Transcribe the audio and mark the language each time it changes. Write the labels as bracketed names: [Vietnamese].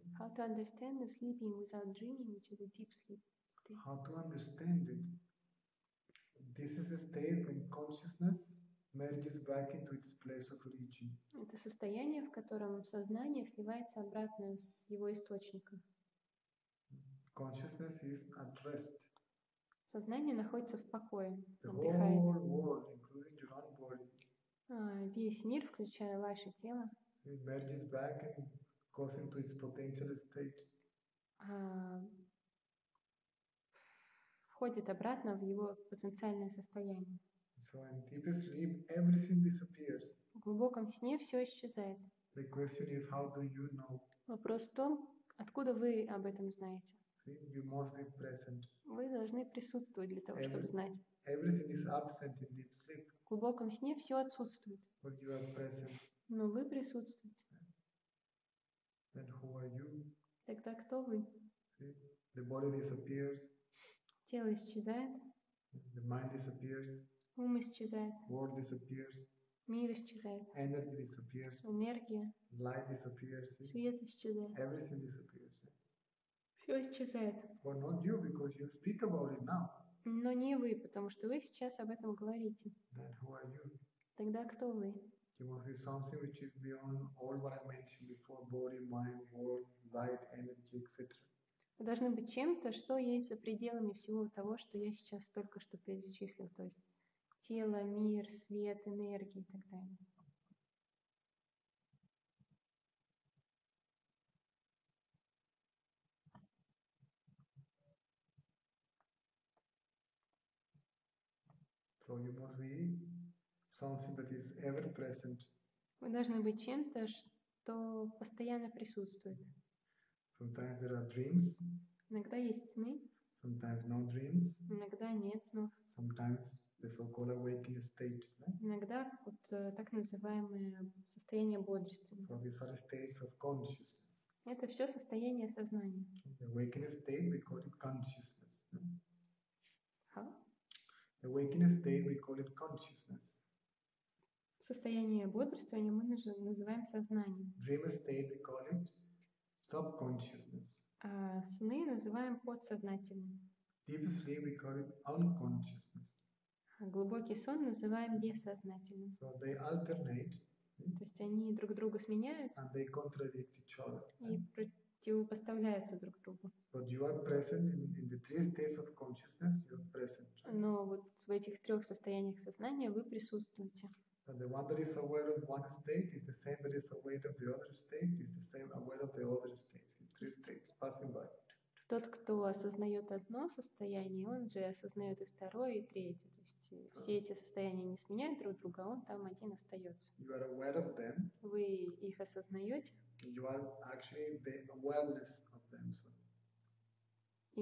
[English] How to understand the sleeping without dreaming, which is a deep sleep state? How to understand it? This is a state when consciousness merges back into its place of origin. [Russian] Это состояние, в котором сознание сливается обратно с его источником. [English] Consciousness is at rest. [Russian] Сознание находится в покое, [English] the [Russian] отдыхает. [English] Whole world, including your own body. [Russian] Весь мир, включая ваше тело, [English] it merges back and goes into its potential state. [Russian] Входит обратно в его потенциальное состояние. [English] So in deepest sleep, everything disappears. [Russian] В глубоком сне все исчезает. [English] The question is, how do you know? [Russian] Вопрос в том, откуда вы об этом знаете. [English] You must be present. [Russian] Вы должны присутствовать для того, чтобы знать. [English] Everything is absent in deep sleep. [Russian] В глубоком сне все отсутствует. [English] But you are present. [Russian] Но вы присутствуете. [English] Then who are you? [Russian] Тогда кто вы? [English] See? The body disappears. [Russian] Тело исчезает. [English] The mind disappears. [Russian] Ум исчезает. [English] World disappears. [Russian] Мир исчезает. [English] Energy disappears. [Russian] Энергия. [English] Light disappears. See? [Russian] Свет исчезает. [English] Everything disappears. [Russian] Все исчезает. [English] Well, not you, because you speak about it now. [Russian] Но не вы, потому что вы сейчас об этом говорите. [English] Then who are you? [Russian] Тогда кто вы? [English] You must be something which is beyond all what I mentioned before: body, mind, world, light, energy, etc. [Russian] Вы должны быть чем-то, что есть за пределами всего того, что я сейчас только что перечислил, то есть тело, мир, свет, энергия и так далее. [English] So you must be something that is ever present. [Russian] Вы должны быть чем-то, что постоянно присутствует. [English] Sometimes there are dreams. [Russian] Иногда есть сны. [English] Sometimes no dreams. [Russian] Иногда нет снов. [English] Sometimes the so-called awakening state. [Russian] Иногда вот так называемое состояние бодрствования. [English] So these are states of consciousness. [Russian] Это все состояние сознания. [English] The awakening state we call it consciousness. How? The awakening state we call it consciousness. [Russian] Состояние бодрствования мы называем сознанием. [English] Dream state we call it subconsciousness. [Russian] Сны называем подсознательным. [English] Deep sleep we call it unconsciousness. [Russian] Глубокий сон называем бессознательным. [English] So they alternate. [Russian] То есть они друг друга сменяют. [English] And they contradict each other. [Russian] И противопоставляются друг другу. [English] But you are present in the three states of consciousness. You are present. [Russian] Но вот в этих трех состояниях сознания вы присутствуете. [English] And the one that is aware of one state is the same that is aware of the other state is the same aware of the other states. Three states passing by. [Russian] Тот, кто осознает одно состояние, он же осознает и второе, и третье. То есть so, все эти состояния не сменяют друг друга, он там один остается. [English] You are aware of them. [Russian] Вы их осознаете. [English] You are actually the awareness of them. So.